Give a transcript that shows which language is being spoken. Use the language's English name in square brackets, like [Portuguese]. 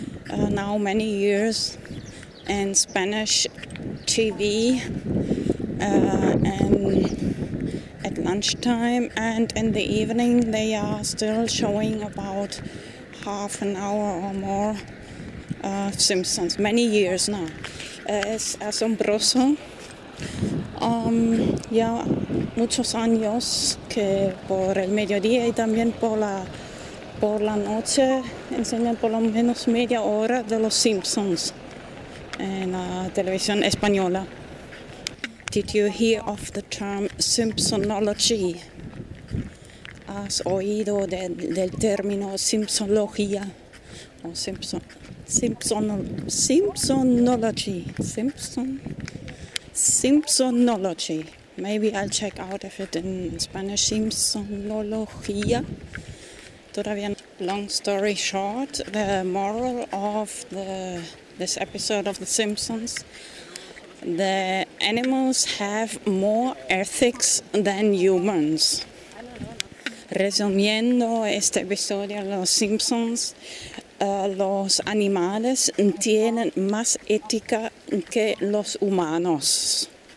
[English] Now many years in Spanish TV and at lunchtime and in the evening they are still showing about half an hour or more Simpsons, many years now. [Spanish] Es asombroso. Ya muchos años que por el mediodía y también por la noche enseñan por lo menos media hora de los Simpsons en la televisión española. [English] Did you hear of the term Simpsonology? [Spanish] has oído del término simpsonología o simpsonology. [English] Maybe I'll check out if it in Spanish simpsonología. [Spanish] Todavía. [English] Long story short, the moral of this episode of The Simpsons: the animals have more ethics than humans. [Spanish] Resumiendo este episodio de Los Simpsons, los animales tienen más ética que los humanos.